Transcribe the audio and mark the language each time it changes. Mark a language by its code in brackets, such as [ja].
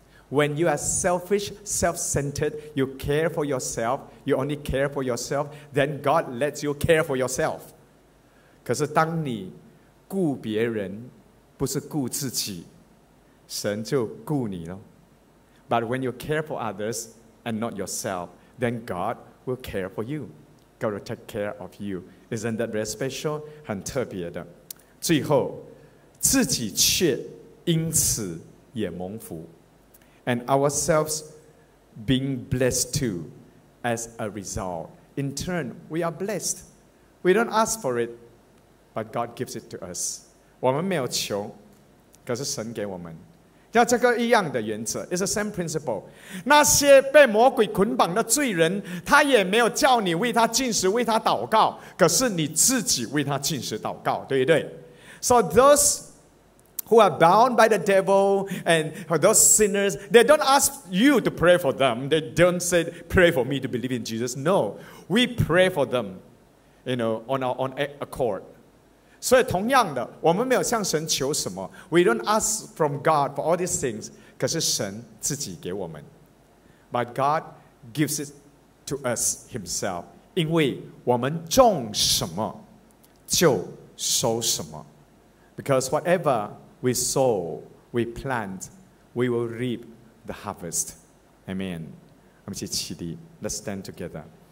[en] When you are selfish, self-centered, you care for yourself, you only care for yourself, then God lets you care for yourself. [zh] 可是当你顾别人，不是顾自己，神就顾你了。 [en] But when you care for others and not yourself, then God will care for you. God will take care of you. Isn't that very special? [zh] 很特别的。最后，自己却因此也蒙福。 [en] And ourselves being blessed too as a result. In turn, we are blessed. We don't ask for it, but God gives it to us. [zh] 我们没有求，可是神给我们。要这个一样的原则 [en] It's the same principle. [zh] 那些被魔鬼捆绑的罪人，他也没有叫你为他进食，为他祷告，可是你自己为他进食祷告，对不对？ [en] So those who are bound by the devil and those sinners, they don't ask you to pray for them. They don't say, pray for me to believe in Jesus. No, we pray for them, you know, on our own accord. [zh] 所以同样的，我们没有向神求什么 [en] We don't ask from God for all these things [zh] 可是神自己给我们 [en] But God gives it to us himself [zh] 因为我们种什么就收什么 [en] Because whatever we sow, we plant, we will reap the harvest Amen [zh] 我们一起起立 [en] Let's stand together